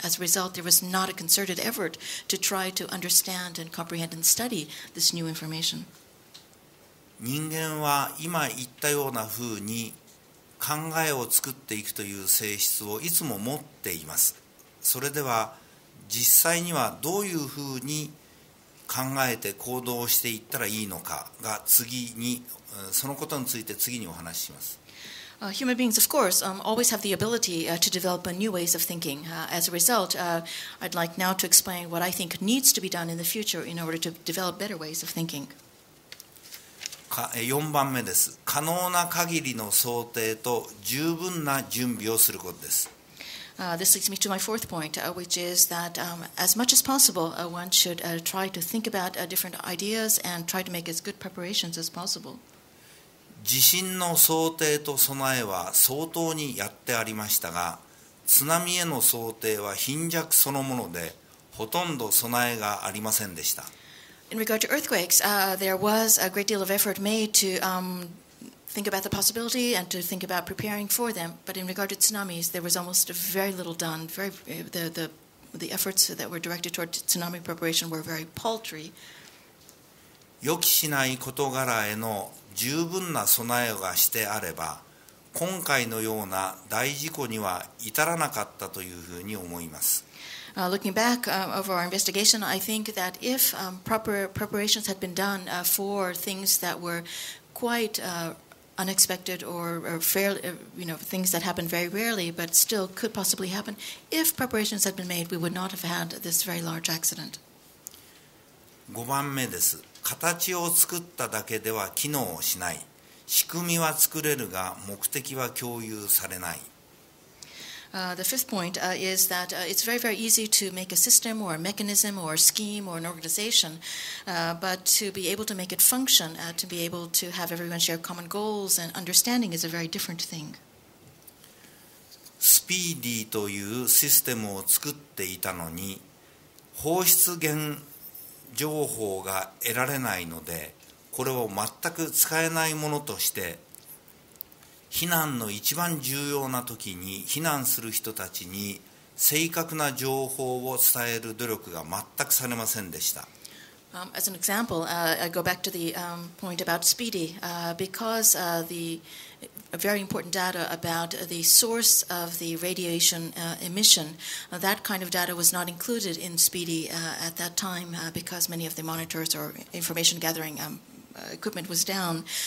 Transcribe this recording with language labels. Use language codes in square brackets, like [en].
[en] As a result, there was not a concerted effort to try to understand and comprehend and study this new information. [ja] 人間は今言ったようなふうに考えを作っていくという性質をいつも持っています。それでは実際にはどういうふうに考えて行動していったらいいのかが次に、そのことについて次にお話しします。 [en] Human beings, of course, always have the ability to develop new ways of thinking. As a result, I'd like now to explain what I think needs to be done in the future in order to develop better ways of thinking. [ja] 4番目です。可能な限りの想定と十分な準備をすることです。 [en] This leads me to my fourth point, which is that as much as possible, one should try to think about different ideas and try to make as good preparations as possible. [ja] 地震の想定と備えは相当にやってありましたが、津波への想定は貧弱そのもので、ほとんど備えがありませんでした。 [en] In regard to earthquakes, there was a great deal of effort made to think about the possibility and to think about preparing for them. But in regard to tsunamis, there was almost very little done. The efforts that were directed toward tsunami preparation were very paltry. [ja] 予期しない事柄への十分な備えがしてあれば、今回のような大事故には至らなかったというふうに思います。 [en] Looking back over our investigation, I think that if proper preparations had been done for things that were quite unexpected or fairly, you know, things that happen very rarely but still could possibly happen, if preparations had been made, we would not have had this very large accident. [ja] 5番目です。形を作っただけでは機能しない。仕組みは作れるが目的は共有されない。 [en] The fifth point is that it's very, very easy to make a system or a mechanism or a scheme or an organization, but to be able to make it function, to be able to have everyone share common goals and understanding is a very different thing. [ja] スピーディーというシステムを作っていたのに、放出源情報が得られないので、これを全く使えないものとして、避難の一番重要な時に避難する人たちに正確な情報を伝える努力が全くされませんでした。 [en] As an example, I go back to the point about Speedy. Because the very important data about the source of the radiation emission, that kind of data was not included in Speedy at that time because many of the monitors or information gathering equipment was down.